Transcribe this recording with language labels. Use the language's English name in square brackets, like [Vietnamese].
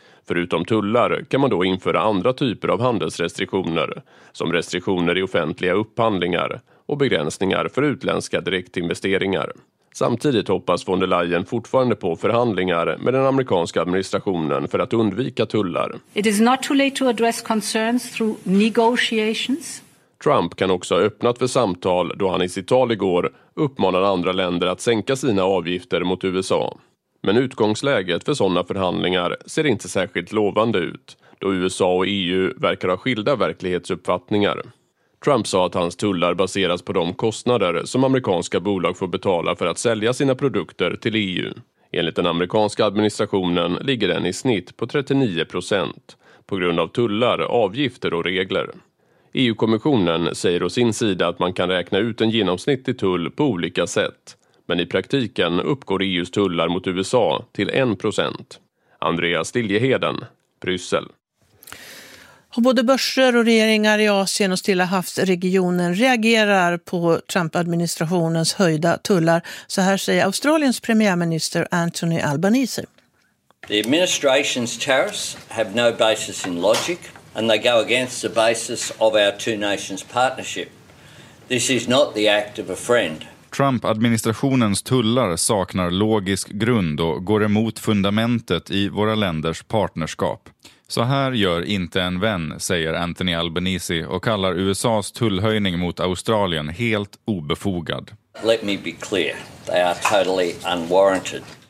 [Swedish] Förutom tullar kan man då införa andra typer av handelsrestriktioner, som restriktioner i offentliga upphandlingar och begränsningar för utländska direktinvesteringar. Samtidigt hoppas von der Leyen fortfarande på förhandlingar med den amerikanska administrationen för att undvika tullar. [English] It is not too late to address concerns through negotiations. [Swedish] Trump kan också ha öppnat för samtal då han i sitt tal igår uppmanade andra länder att sänka sina avgifter mot USA. Men utgångsläget för sådana förhandlingar ser inte särskilt lovande ut, då USA och EU verkar ha skilda verklighetsuppfattningar. Trump sa att hans tullar baseras på de kostnader som amerikanska bolag får betala för att sälja sina produkter till EU. Enligt den amerikanska administrationen ligger den i snitt på 39% på grund av tullar, avgifter och regler. EU-kommissionen säger å sin sida att man kan räkna ut en genomsnittlig tull på olika sätt. Men i praktiken uppgår EUs tullar mot USA till 1%. Andreas Liljeheden, Bryssel. Och både börser och regeringar i Asien och Stilla havsregionen reagerar på Trump-administrationens höjda tullar. Så här säger Australiens premiärminister Anthony Albanese. [English] The administration's tariffs have no basis in logic and they go against the basis of our two nations partnership. This is not the act of a friend. [Swedish] Trump-administrationens tullar saknar logisk grund och går emot fundamentet i våra länders partnerskap. Så här gör inte en vän, säger Anthony Albanese och kallar USA:s tullhöjning mot Australien helt obefogad. [English] Let me be clear. They are totally unwarranted.